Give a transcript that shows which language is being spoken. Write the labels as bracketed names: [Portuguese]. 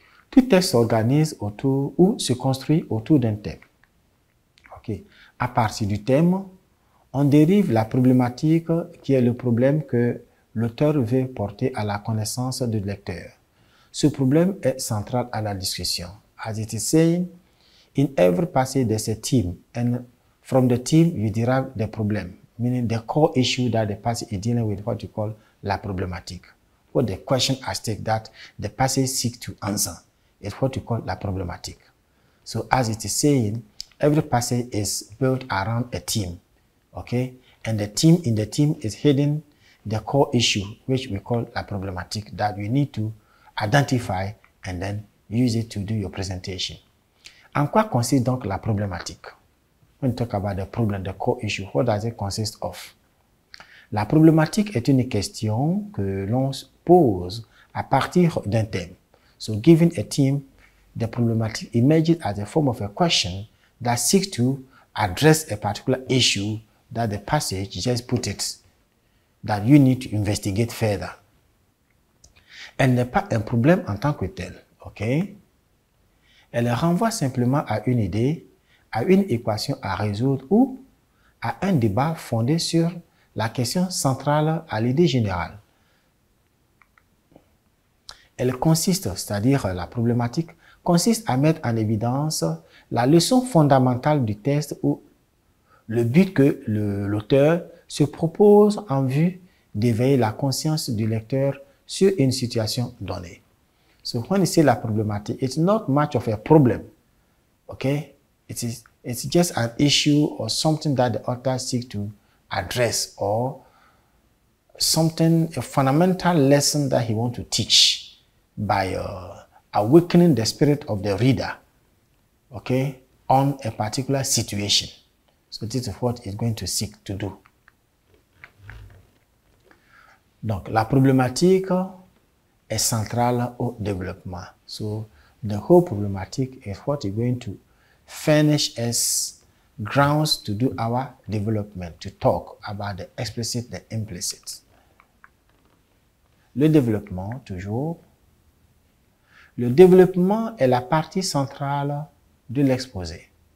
[French] Tout texte s'organise autour ou se construit autour d'un thème. OK. À partir du thème, on dérive la problématique qui est le problème que l'auteur veut porter à la connaissance du lecteur. Ce problème est central à la discussion. [English] As it is saying, in every passage there's a theme, and from the theme you derive the problem, meaning the core issue that the passage is dealing with, what you call la problématique. What the question at stake that the passage seeks to answer is what you call la problématique. So as it is saying, every passage is built around a theme, okay? And the theme in the theme is hidden the core issue, which we call la problématique, that we need to identify and then use it to do your presentation. [French] En quoi consiste donc la problématique? [English] When you talk about the problem, the core issue, what does it consist of? [French] La problématique est une question que l'on pose à partir d'un thème. [English] So, given a theme, the problematic emerges as a form of a question that seeks to address a particular issue that the passage just put it, that you need to investigate further. [French] Elle n'est pas un problème en tant que tel. OK. Elle renvoie simplement à une idée, à une équation à résoudre ou à un débat fondé sur la question centrale à l'idée générale. Elle consiste, c'est-à-dire la problématique, consiste à mettre en évidence la leçon fondamentale du texte ou le but que l'auteur se propose en vue d'éveiller la conscience du lecteur sur une situation donnée. [English] So when you say la problématique, it's not much of a problem, okay? It's just an issue or something that the author seeks to address or something, a fundamental lesson that he wants to teach by awakening the spirit of the reader, okay, on a particular situation. So this is what he's going to seek to do. [French] Donc, la problématique est centrale au développement. [English] So, the whole problematic is what is going to furnish us grounds to do our development, to talk about the explicit, the implicit. [French] Le développement, toujours. Le développement est la partie centrale de l'exposé.